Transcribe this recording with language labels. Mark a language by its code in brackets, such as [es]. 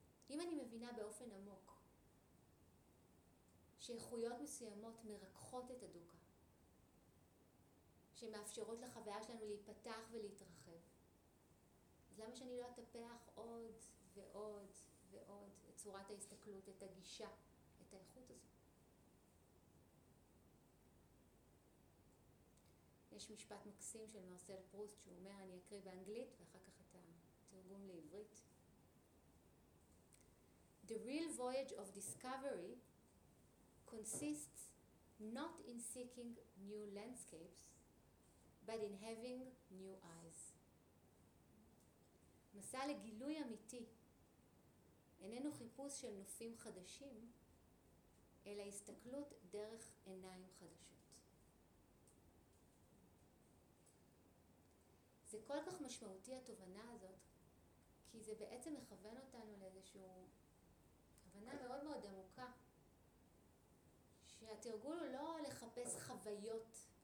[he] אם אני מבינה באופן עמוק שאיכויות מסוימות מרקחות את הדוקה, שמאפשרות לחוויה שלנו להיפתח ולהתרחב, אז למה שאני לא אטפח עוד ועוד ועוד את צורת ההסתכלות, את הגישה, את האיכות הזו? יש משפט מקסים של מרסל פרוסט שהוא אומר, אני אקריא באנגלית ואחר כך את התרגום לעברית. [en] The real voyage of discovery consists not in seeking new landscapes, but in having new eyes. [he] מסע לגילוי אמיתי איננו חיפוש של נופים חדשים, אלא הסתכלות דרך עיניים חדשות. זה כל כך משמעותי התובנה הזאת, כי זה בעצם מכוון אותנו לאיזשהו כוונה מאוד מאוד עמוקה, שהתרגול הוא לא לחפש חוויות